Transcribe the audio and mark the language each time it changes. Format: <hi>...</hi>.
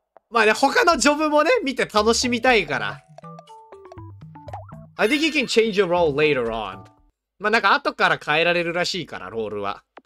<ja>まあね、他のジョブもね、見て楽しみたいから。</ja> <en>I think you can change your role later on.</en> <ja>まあなんか後から変えられるらしいから、ロールは。</ja>